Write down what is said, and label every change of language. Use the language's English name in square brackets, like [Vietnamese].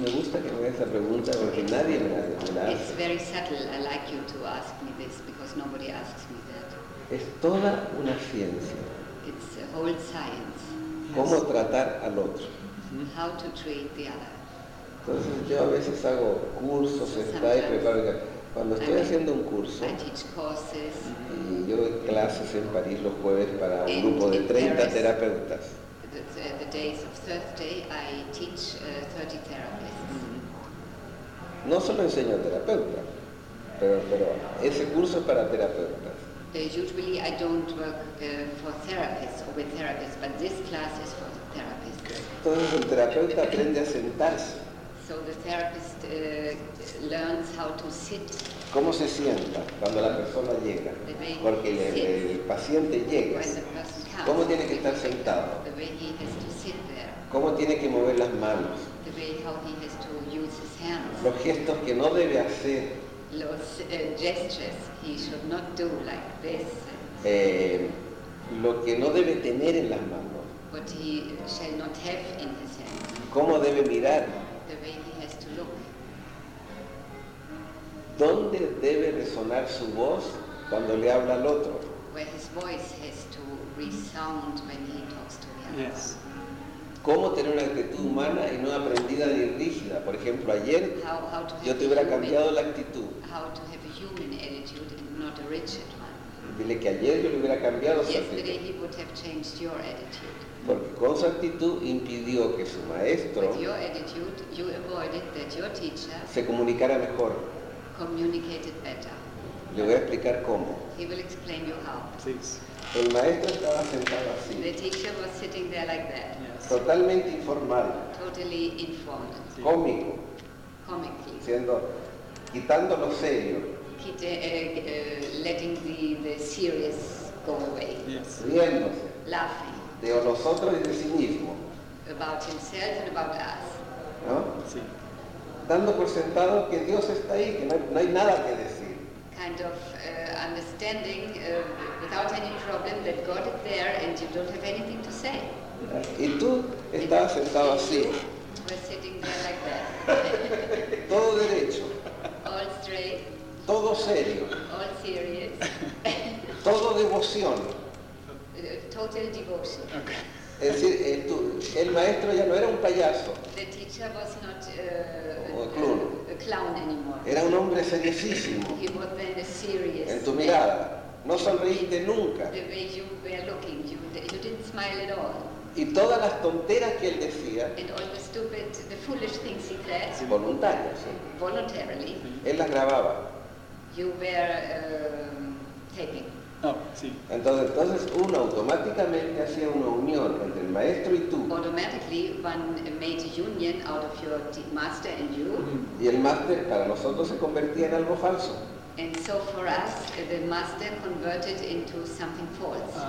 [Spanish] Me gusta que me hagas esa pregunta porque nadie me la hace. [English] It's very subtle. I like you to ask me this because nobody asks me that. [Spanish] Es toda una ciencia. [English] It's a whole science. Yes. [Spanish] ¿Cómo tratar al otro? [English] How to treat the other. [Spanish] Entonces yo a veces hago cursos, está y preparo. Cuando estoy haciendo un curso, [English] I teach courses, [Spanish] y yo doy clases en París los jueves para un grupo de 30 Paris, terapeutas. [English] The days of Thursday I teach 30 therapists. [Spanish] No solo enseño a terapeutas, pero ese curso es para terapeutas. [English] Usually I don't work for therapists or with therapists, but this class is for therapists. [Spanish] Entonces el terapeuta aprende a sentarse. [English] So the therapist learns how to sit. [Spanish] ¿Cómo se sienta cuando la persona llega? Porque el paciente llega. ¿Cómo tiene que estar sentado? [English] The way he has to sit there. [Spanish] ¿Cómo tiene que mover las manos? [English] The way how he has to use his hands. [Spanish] Los gestos que no debe hacer. [English] Los gestures he should not do like this. [Spanish] Lo que no debe tener en las manos. [English] What he shall not have in his hand. [Spanish] ¿Cómo debe mirar? [English] The way he has to look. [Spanish] ¿Dónde debe resonar su voz cuando le habla al otro? [English] Where his voice has to resound when he talks to the other. Yes. [Spanish] ¿Cómo tener una actitud humana y no aprendida ni rígida? Por ejemplo, ayer yo te hubiera cambiado la actitud. [English] How to have a human attitude and not a rigid one. [Spanish] Dile que ayer yo le hubiera cambiado su [English] actitud. Yesterday he would have changed your attitude. [Spanish] Porque con su actitud impidió que su maestro [English] attitude, you avoided that your teacher [Spanish] se comunicara mejor. [English] Communicated better. [Spanish] Le voy a explicar cómo. [English] He will explain you how. Please. [Spanish] El maestro estaba sentado así. [English] The teacher was sitting there like that. Yes. [Spanish] Totalmente informal. [English] Totally informal. Sí. [Spanish] Cómico. [English] Comically. [Spanish] Siendo, quitando lo serio. [English] Letting the serious go away. Yes. [Spanish] Riéndose. [English] Laughing. [Spanish] De nosotros y de sí mismo. [English] About himself and about us. [Spanish] ¿No? Sí. Dando por sentado que Dios está ahí, que no hay nada que decir. [English] Kind of understanding without any problem that God is there and you don't have anything to say. [Spanish] Y tú estabas sentado así. [English] We're sitting there like that. [Spanish] Todo derecho. [English] All straight. [Spanish] Todo serio. [English] All serious. [Spanish] Todo devoción. [English] Total devotion. Okay. [Spanish] Es decir, el maestro ya no era un payaso. [English] The teacher was not a clown. A clown anymore. [Spanish] Era un hombre seriosísimo. [English] He was then a serious. [Spanish] En tu mirada, no sonreíste nunca. [English] The way you were looking, you didn't smile at all. [Spanish] Y todas las tonteras que él decía, [English] and all the stupid, the foolish things he said, [Spanish] voluntarias, sí. [English] Voluntarily, [Spanish] él las grababa. [English] You were taping. [Spanish] Oh, sí. Entonces uno automáticamente hacía una unión entre el maestro y tú. [English] Automatically, one made a union out of your master and you. [Spanish] Y el master para nosotros se convertía en algo falso. [English] And so for us, the master converted into something false.